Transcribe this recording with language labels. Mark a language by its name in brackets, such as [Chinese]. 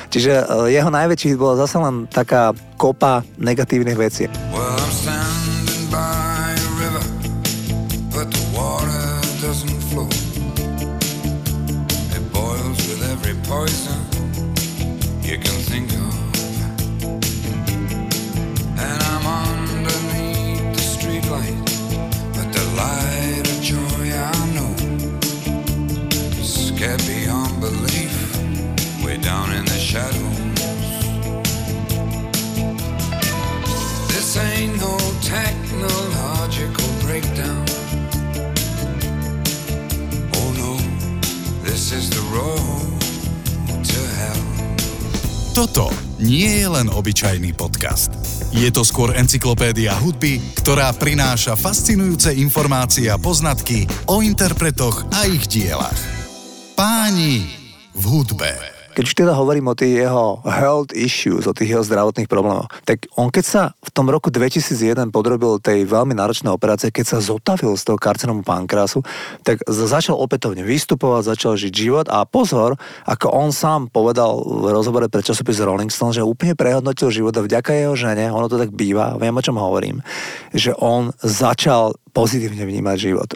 [Slovak] Čiže jeho najväčší hit bola zase len taká kopa negatívnych vecí. [English] Well, I'm standing by a river, but the water doesn't flow. It boils with every poison you can think of. And I'm underneath the street light, but the light of joy I know. Scared beyond belief, way down in the shadow. This ain't no technological breakdown. Oh no, this is the road to hell. [Slovak] Toto nie je len obyčajný podcast. Je to skôr encyklopédia hudby, ktorá prináša fascinujúce informácie a poznatky o interpretoch a ich dielach. Páni v hudbe. Keď už teda hovorím o tých jeho [English] health issues, [Slovak] o tých jeho zdravotných problémoch, tak on keď sa v tom roku 2001 podrobil tej veľmi náročnej operácie, keď sa zotavil z toho karcinomu pankreasu, tak začal opätovne vystupovať, začal žiť život a pozor, ako on sám povedal v rozhovore pre časopis Rolling Stone, že úplne prehodnotil život a vďaka jeho žene, ono to tak býva, viem o čom hovorím, že on začal pozitívne vnímať život.